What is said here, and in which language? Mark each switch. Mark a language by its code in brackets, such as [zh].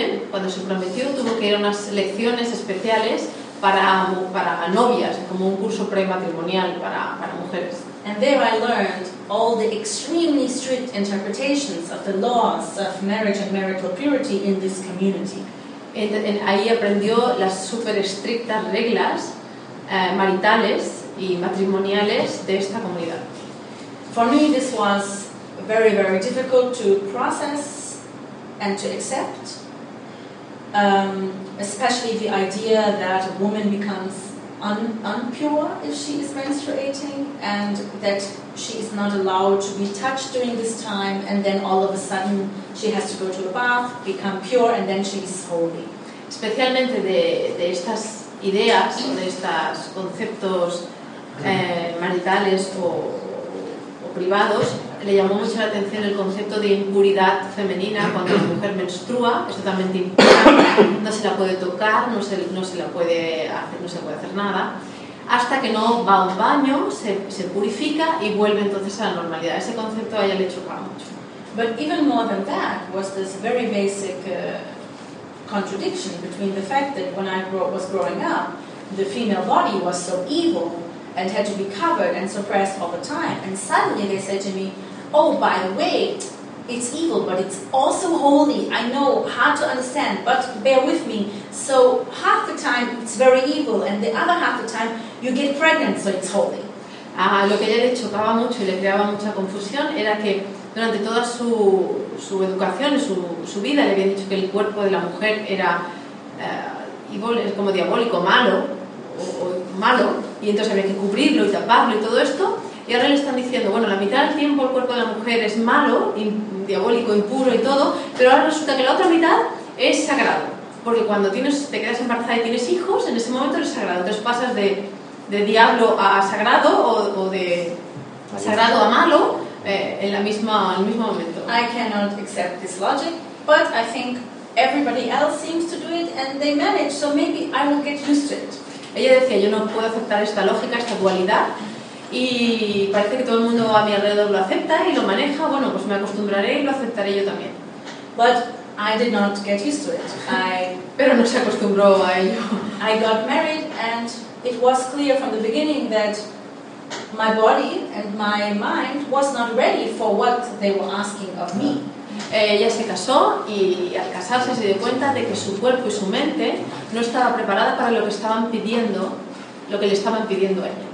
[es] Cuando se prometió, tuvo que ir a unas lecciones especiales para novias, como un curso prematrimonial para mujeres. [en] And there I learned all the extremely strict interpretations of the laws of marriage and marital purity in this community. [es] Ahí aprendió las super estrictas reglas maritales y matrimoniales de esta comunidad. [en] For me, this was very, very difficult to process and to accept, especially the idea that a woman becomes unpure if she is menstruating, and that she is not allowed to be touched during this time, and then all of a sudden she has to go to a bath, become pure, and then she is holy. [es] Especialmente de estas ideas, de estos conceptos maritales o privados, le llamó mucho la atención el concepto de impuridad femenina. Cuando la mujer menstrua, es totalmente impura, no se la puede tocar, no se la puede hacer nada, hasta que no va a un baño, se purifica y vuelve entonces a la normalidad. Ese concepto a ella le chocaba mucho. [en] But even more than that was this very basic contradiction between the fact that when I was growing up, the female body was so evil and had to be covered and suppressed all the time. And suddenly they said to me, oh, by the way, it's evil, but it's also holy. I know, hard to understand, but bear with me. So half the time it's very evil, and the other half the time you get pregnant, so it's holy. [es] Lo que a ella le chocaba mucho y le creaba mucha confusión era que durante toda su educación y su vida le habían dicho que el cuerpo de la mujer era evil, es como diabólico, malo, malo, y entonces había que cubrirlo y taparlo y todo esto. Y ahora le están diciendo, bueno, la mitad del tiempo el cuerpo de la mujer es malo, diabólico, impuro y todo, pero ahora resulta que la otra mitad es sagrado. Porque cuando te quedas embarazada y tienes hijos, en ese momento eres sagrado. Entonces pasas de diablo a sagrado o de sagrado a malo en el mismo momento. [en] I cannot accept this logic, but I think everybody else seems to do it and they manage, so maybe I will get used to it. [es] Ella decía, yo no puedo aceptar esta lógica, esta dualidad, y parece que todo el mundo a mi alrededor lo acepta y lo maneja, bueno, pues me acostumbraré y lo aceptaré yo también. [en] But I did not get used to it. [es] Pero no se acostumbró a ello. [en] I got married and it was clear from the beginning that my body and my mind was not ready for what they were asking of me. [es] Ella se casó y al casarse se dio cuenta de que su cuerpo y su mente no estaba preparada para lo que le estaban pidiendo a ella.